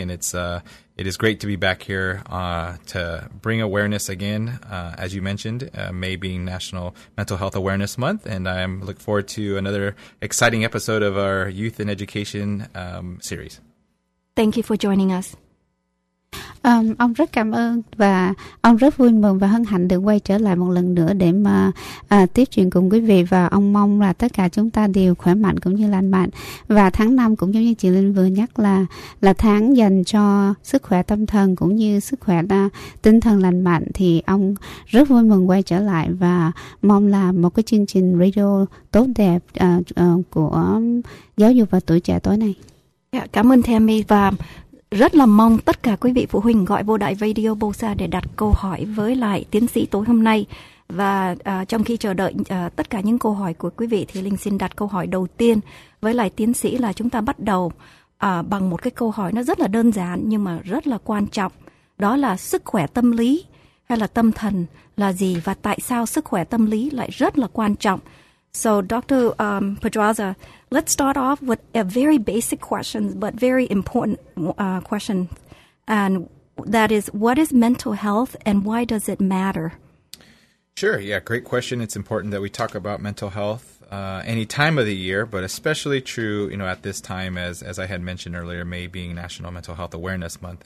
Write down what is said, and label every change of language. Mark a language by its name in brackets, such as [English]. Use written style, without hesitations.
[English] And it is great to be back here to bring awareness again, as you mentioned, May being National Mental Health Awareness Month. And I look forward to another exciting episode of our Youth in Education series. Thank you for joining us. [Vietnamese] Ông rất cảm ơn và ông rất vui mừng và hân hạnh được quay trở lại một lần nữa để mà tiếp chuyện cùng quý vị, và ông mong là tất cả chúng ta đều khỏe mạnh cũng như lành mạnh. Và tháng 5 cũng giống như chị Linh vừa nhắc là tháng dành cho sức khỏe tâm thần cũng như sức khỏe tinh thần lành mạnh, thì ông rất vui mừng quay trở lại và mong là một cái chương trình radio tốt đẹp của giáo dục và tuổi trẻ tối nay. Yeah, cảm ơn Tammy, và rất là mong tất cả quý vị phụ huynh gọi vô đại Radio Bosa để đặt câu hỏi với lại tiến sĩ tối hôm nay. Và trong khi chờ đợi tất cả những câu hỏi của quý vị, thì Linh xin đặt câu hỏi đầu tiên với lại tiến sĩ, là chúng ta bắt đầu bằng một cái câu hỏi nó rất là đơn giản nhưng mà rất là quan trọng. Đó là sức khỏe tâm lý hay là tâm thần là gì, và tại sao sức khỏe tâm lý lại rất là quan trọng? [English] So Dr. Pedraza, let's start off with a very basic question, but very important question. And that is, what is mental health and why does it matter? Sure. Yeah, great question. It's important that we talk about mental health any time of the year, but especially true, you know, at this time, as I had mentioned earlier, May being National Mental Health Awareness Month.